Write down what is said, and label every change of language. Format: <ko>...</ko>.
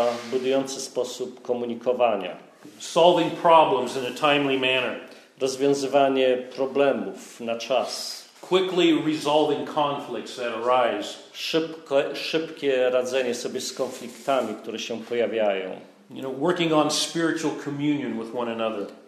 <pl>Budujący sposób komunikowania.</pl> <en>Solving problems in a timely manner.</en> <pl>Rozwiązywanie problemów na czas.</pl> <en>Quickly resolving conflicts that arise.</en> <pl>Szybkie radzenie sobie z konfliktami, które się pojawiają.</pl> <en>You know, working on spiritual communion with one another.</en>